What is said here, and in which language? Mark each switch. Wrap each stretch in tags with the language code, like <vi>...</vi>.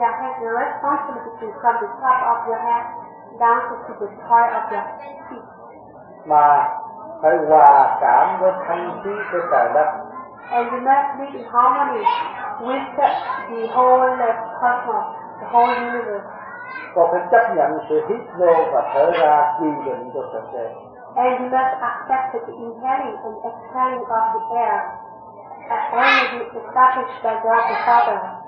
<en>Yeah, has the responsibility from the top of your head. Down to the part of your feet.</en> <vi>Mà phải hòa cảm với thanh khí của trời đất.</vi> <en>And you must be in harmony with the whole cosmos, the whole universe.</en> <vi>Còn phải chấp nhận sự hít vô và thở ra quy định của thực tế.</vi> <en>And you must accept the inhaling and exhaling of the air as only established by God the Father.</en>